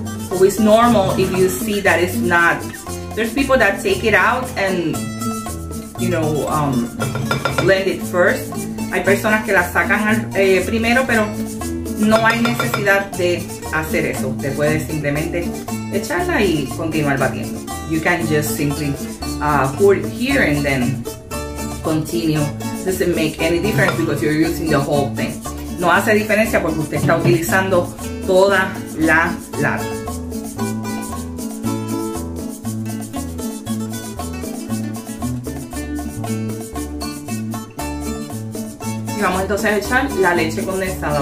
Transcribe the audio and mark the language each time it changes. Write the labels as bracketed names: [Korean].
[English] So it's normal if you see that it's not. There's people that take it out and you know, blend it first. [Spanish] Hay personas que la sacan primero, pero no hay necesidad de hacer eso. Usted puede simplemente echarla y continuar batiendo. [English] You can just simply pour it here and then continue. Doesn't make any difference because you're using the whole thing. [Spanish] No hace diferencia porque usted está utilizando toda la lata. Y vamos entonces a echar la leche condensada.